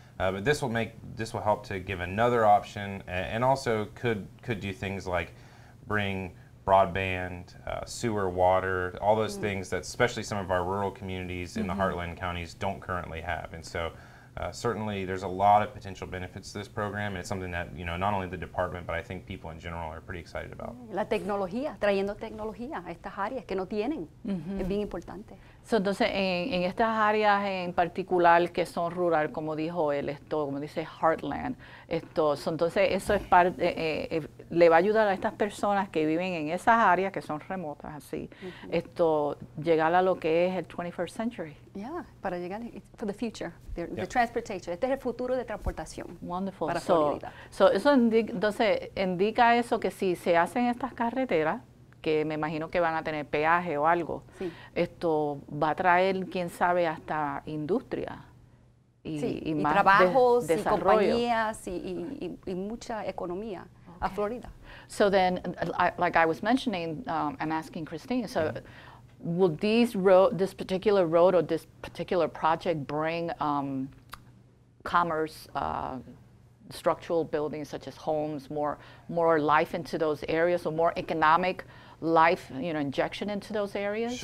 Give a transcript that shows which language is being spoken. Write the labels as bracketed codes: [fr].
[en] But this will help to give another option, and also could do things like bring broadband, sewer, water, all those things that especially some of our rural communities in the Heartland counties don't currently have. And so certainly there's a lot of potential benefits to this program. And it's something that, you know, not only the department, but I think people in general are pretty excited about. [es] La tecnología, trayendo tecnología a estas áreas que no tienen. Mm-hmm. Es bien importante. So, entonces, en estas áreas en particular que son rural, como dijo él, esto, como dice Heartland, esto, so, entonces, eso es parte, le va a ayudar a estas personas que viven en esas áreas que son remotas, así, mm-hmm. esto, llegar a lo que es el 21st century. Yeah, para llegar, [en] for the future, the transportation. [es] Este es el futuro de transportación. [en] Wonderful. [es] Para eso indica eso que si se hacen estas carreteras, que me imagino que van a tener peaje o algo. Sí. Esto va a traer, quién sabe, hasta industria. Y, sí. y más trabajos, desarrollo. Y compañías, y mucha economía okay. a Florida. [en] So then, like I was mentioning and asking Christine, so will this particular road or this particular project bring commerce, structural buildings such as homes, more life into those areas, or more economic life, you know, injection into those areas?